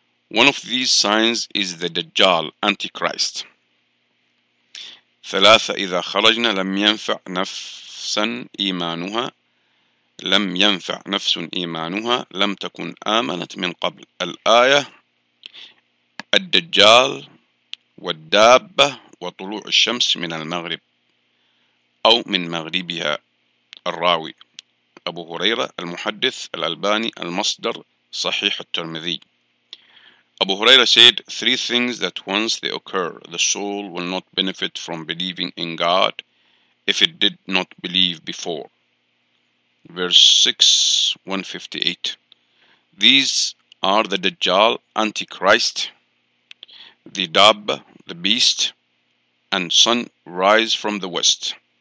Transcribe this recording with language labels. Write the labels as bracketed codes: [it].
[en] One of these signs is the Dajjal, Antichrist. [ar] ثلاثة إذا خرجنا لم ينفع نفسا إيمانها لم ينفع نفس إيمانها لم تكن آمنت من قبل. الآية الدجال والدابة وطلوع الشمس من المغرب أو من مغربها. الراوي أبو هريرة المحدث الألباني المصدر صحيح الترمذي. [en] أبو هريرة said, three things that once they occur, the soul will not benefit from believing in God if it did not believe before. Verse 6:158. These are the Dajjal, Antichrist, the Dab, the Beast, and Sun Rise from the West.